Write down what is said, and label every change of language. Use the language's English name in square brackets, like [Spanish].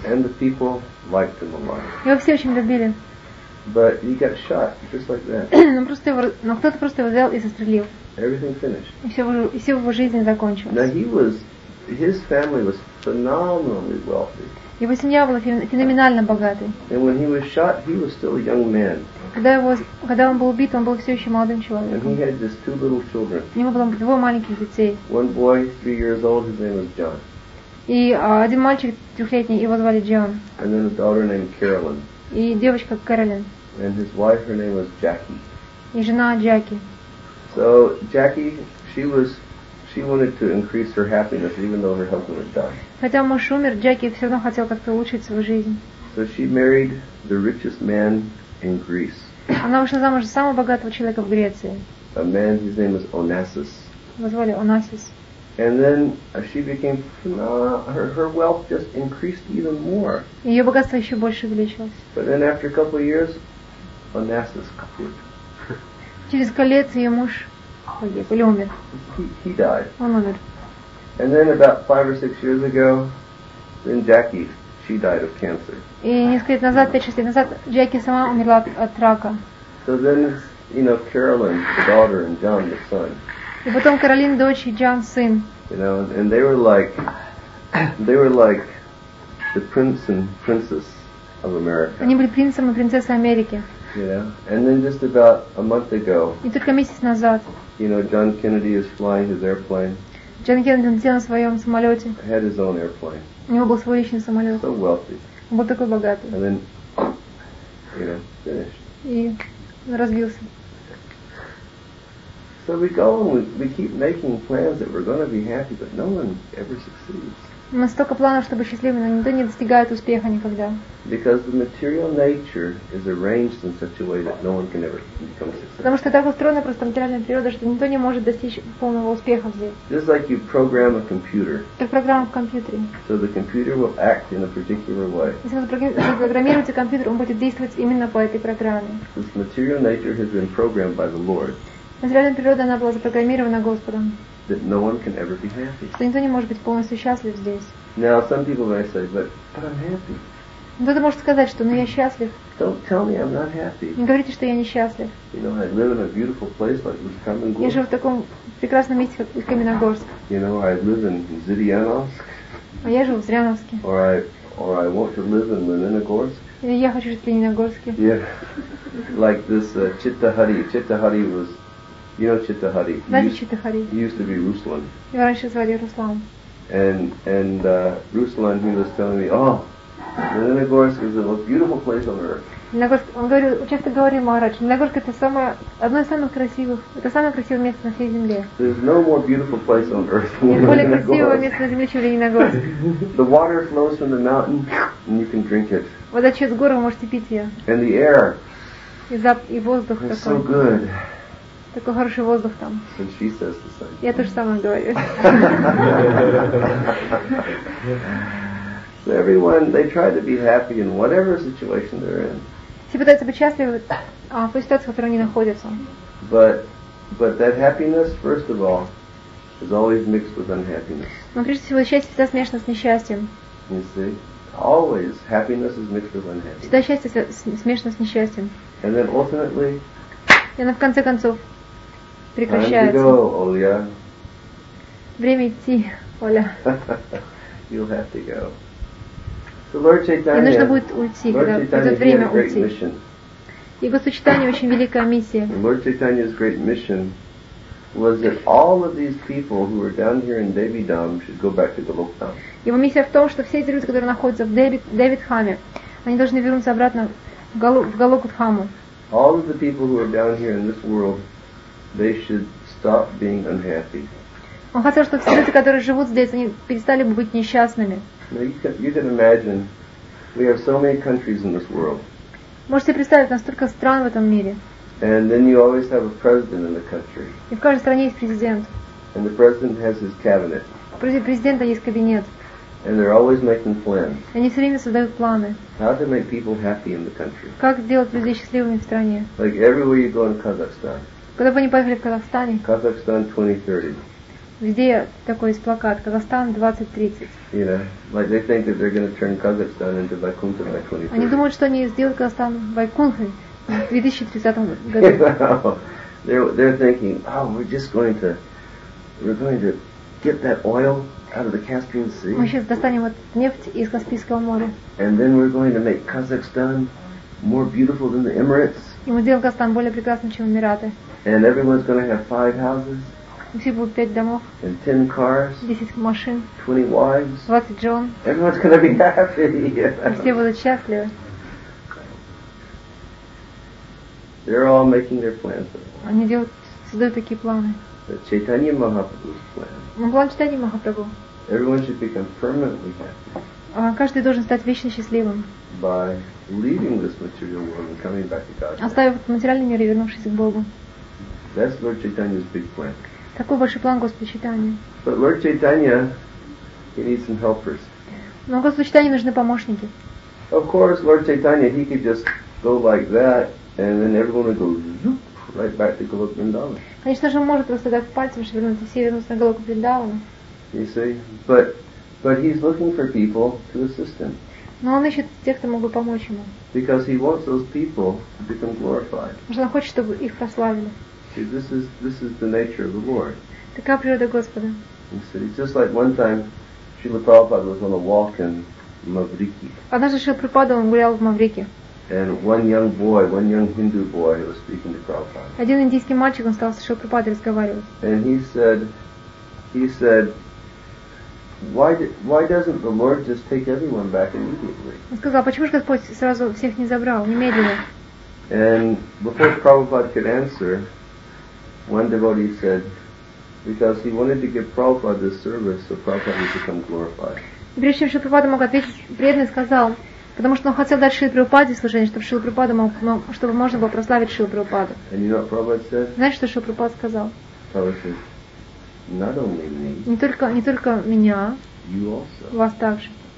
[English] And the people liked him a lot. [Russian] Его все очень любили. [English] But he got shot just like that. [Russian] Но кто-то просто его взял и застрелил. [English] Everything finished. [Russian] И все в его жизни закончилось. [English] Now his family was phenomenally wealthy. [Russian] Его семья была феноменально богатой. [English] And when he was shot, he was still a young man. [Russian] Когда он был убит, он был все еще молодым человеком. [English] And he had just two little children. [Russian] У него было двое маленьких детей. [English] One boy, 3 years old, his name was John. [Russian] И один мальчик трехлетний, его звали Джон. [English] And then a daughter named Carolyn. [Russian] И девочка Каролин. [English] And his wife, her name was Jackie. [Russian] И жена Джеки. [English] So Jackie, she wanted to increase her happiness, even though her husband had died. [Russian] Хотя муж умер, Джеки все равно хотел как-то улучшить свою жизнь. [English] So she married the richest man in Greece. [Russian] Она вышла замуж за самого богатого человека в Греции. [English] A man, his name was Onassis. [Russian] Его звали Onassis. [English] And then she became her wealth just increased even more. [Russian] Ее богатство еще больше увеличилось. [English] But then after a couple of years, Onassis quit. [Russian] Через несколько лет ее муж погиб или умер. [English] He died. [Russian] Он умер. [English] And then about 5 or 6 years ago, then Jackie, she died of cancer. [Russian] И несколько лет назад, 5-6 лет назад, Джеки сама умерла от рака. [English] So then, you know, Carolyn, the daughter, and John, the son. [Russian] И потом Каролин, дочь, и Джон, сын. [English] You know, and they were like the prince and princess of America. [Russian] Они были принцем и принцессой Америки. [English] Yeah, and then just about a month ago. [Russian] И только месяц назад. [English] You know, John Kennedy is flying his airplane. [Russian] Джон Кеннеди летел на своем самолете. [English] Had his own airplane. [Russian] У него был свой личный самолет. [English] So wealthy. [Russian] Он был такой богатый. [English] And then, you know, finished. [Russian] И разбился. [English] So we go and we keep making plans that we're going to be happy, but no one ever succeeds. [Russian] У нас столько планов, чтобы быть счастливыми, но никто не достигает успеха никогда. [English] Because the material nature is arranged in such a way that no one can ever become successful. [Russian] Потому что так устроена просто материальная природа, что никто не может достичь полного успеха здесь. [English] This is like you program a computer. [Russian] Как программа в компьютере. [English] So the computer will act in a particular way. [Russian] Если вы запрограммируете компьютер, он будет действовать именно по этой программе. [English] This material nature has been programmed by the Lord. [Russian] Материальная природа, она была запрограммирована Господом. [English] That no one can ever be happy. [Russian] Что никто не может быть полностью счастлив здесь. [English] Now some people may say, but I'm happy. [Russian] Кто-то может сказать, что, ну я счастлив. [English] Don't tell me I'm not happy. [Russian] Не говорите, что я несчастлив. [English] You know, I live in a beautiful place like Каменогорск. [Russian] Я живу в таком прекрасном месте, как Каменогорск. [English] You know, I live in Зырянск. [Russian] А я живу в Зыряновске. [English] Or I want to live in Лениногорск. [Russian] Или я хочу жить в Лениногорске. [English] Yeah, like this Читтахари. Читтахари was. You know Читтахари. [Russian] Знаете Читтахари? [English] He used to be Руслан. [Russian] Его раньше звали Руслан. [English] And Руслан, he was telling me, oh, Лениногорск is the most beautiful place on earth. [Russian] Лениногорск, он говорил, часто говорил Махарадж, Лениногорск это самое, одно из самых красивых, это самое красивое место на всей земле. [English] There's no more beautiful place on earth than Лениногорск. [Russian] Более красивого места на земле, чем Лениногорск. [English] The water flows from the mountain, and you can drink it. [Russian] Вода через гору, вы можете пить ее. [English] And the air. [Russian] И воздух такой. [English] It's so good. [Russian] Такой хороший воздух там. [English] And she says the same. [Russian] Я то же самое говорю. [English] So everyone, they try to be happy in whatever situation they're in. [Russian] Все пытаются быть счастливы в той ситуации, в которой они находятся. [English] But that happiness, first of all, is always mixed with unhappiness. [Russian] Но прежде всего счастье всегда смешано с несчастьем. [English] You see? Always happiness is mixed with unhappiness. [Russian] Всегда счастье смешано с несчастьем. [English] And then ultimately. [Russian] И оно в конце концов прекращается. [English] Time to go, Оля. [Russian] Время идти, Оля. [English] You'll have to go. So Lord Chaitanya. [Russian] И нужно будет уйти, когда придет время уйти. [English] Mission. [Russian] Его сочетание очень великая миссия. [English] And Lord Chaitanya's great mission was that all of these people who were down here in Devidham should go back to the Lokdham. [Russian] Его миссия в том, что все эти люди, которые находятся в Девидхаме, они должны вернуться обратно в Галокудхаму. [English] All of the people who are down here in this world, they should stop being unhappy. [Russian] Он хотел, чтобы все люди, которые живут здесь, они перестали бы быть несчастными. [English] Now you can imagine, we have so many countries in this world. [Russian] Можете представить, настолько стран в этом мире. [English] And then you always have a president in the country. [Russian] И в каждой стране есть президент. [English] And the president has his cabinet. [Russian] У президента есть кабинет. [English] And they're always making plans. [Russian] Они все время создают планы. [English] How to make people happy in the country? [Russian] Как сделать людей счастливыми в стране? [English] Like everywhere you go in Kazakhstan. [Russian] Куда бы они поехали в Казахстане? [English] Kazakhstan 2030. [Russian] Везде такой есть плакат: Казахстан 2030. [English] You know, like they think that they're going to turn Kazakhstan into Vaikuntha by 2030. [Russian] Они думают, что они сделают Казахстан Вайкунхой в 2030 году. [English] They're thinking, oh, we're going to get that oil out of the Caspian Sea. [Russian] Мы сейчас достанем вот нефть из Каспийского моря. [English] And then we're going to make Kazakhstan more beautiful than the Emirates. [Russian] И мы сделаем Казахстан более прекрасным, чем Эмираты. [English] And everyone's going to have 5 houses. [Russian] У всех будет 5 домов. [English] And 10 cars. [Russian] 10 машин. [English] 20 wives. [Russian] 20 жен. [English] Everyone's going to be happy. Yeah. [Russian] Все будут счастливы. [English] They're all making their plans. [Russian] Они делают, создают такие планы. [English] Chaitanya Mahaprabhu's plan. [Russian] План Чайтаньи Махапрабху. [English] Everyone should become permanently happy. [Russian] Каждый должен стать вечно счастливым. [English] By leaving this material world and coming back to God. [Russian] Оставив материальный мир и вернувшись к Богу. [English] That's Lord Chaitanya's big plan. [Russian] Такой большой план Господа Чайтаньи. [English] But Lord Chaitanya, he needs some helpers. [Russian] Но Господу Чайтаньи нужны помощники. [English] Of course, Lord Chaitanya, he could just go like that, and then everyone would go zoop right back to Golok Vrindavan. [Russian] Конечно же, он может просто так пальцем шевельнуть и все вернуться на Голоку Вриндавану. [English] You see, but he's looking for people to assist him. [Russian] Но он ищет тех, кто мог бы помочь ему. [English] Because he wants those people to become glorified. [Russian] Потому что он хочет, чтобы их прославили. [English] See, this is the nature of the Lord. [Russian] Такая природа Господа. [English] You see, it's just like one time Srila Prabhupada was on a walk in Маврики. [Russian] Однажды Шрила Прабхупада гулял в Маврике. [English] And one young Hindu boy was speaking to Prabhupada. [Russian] Один индийский мальчик, он стал с Шрилой Прабхупадой разговаривать. [English] And he said, why doesn't the Lord just take everyone back immediately? [Russian] Он сказал, почему же Господь сразу всех не забрал немедленно? [English] And before Prabhupada could answer, one devotee said, because he wanted to give Prabhupada this service, so Prabhupada would become glorified. [Russian] Прежде чем Шрила Прабхупада мог ответить, преданный сказал, потому что он хотел дать Шриле Прабхупаде служение, чтобы Шрила Прабхупада мог, ну, чтобы можно было прославить Шрилу Прабхупаду. [English] And you know what Prabhupada said? [Russian] Знаешь, что Шрила Прабхупада сказал? [English] Prabhupada said, not only me. [Russian] Не только меня. [English] You also. [Russian] Вас также.